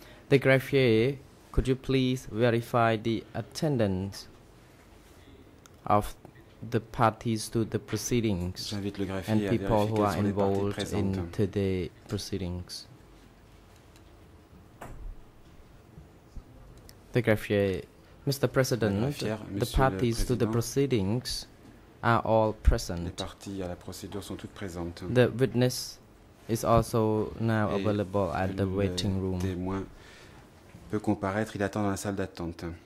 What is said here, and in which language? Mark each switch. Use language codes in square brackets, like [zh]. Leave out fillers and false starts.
[en] The greffier, could you please verify the attendance of the parties to the proceedings and people who are involved in today's proceedings? The greffier. Mr. President, the parties to the proceedings are all present. [fr] Les parties à la procédure sont toutes présentes. [en] The witness is also now available at the waiting room. [fr] Le témoin peut comparaître, il attend dans la salle d'attente.